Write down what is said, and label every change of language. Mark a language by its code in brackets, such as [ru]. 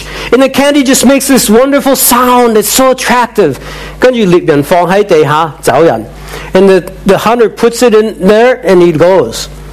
[en] And the candy just makes this wonderful sound. It's so attractive. [yue] 跟住猎人放喺地下走人。 [en] And the hunter puts it in there and he goes.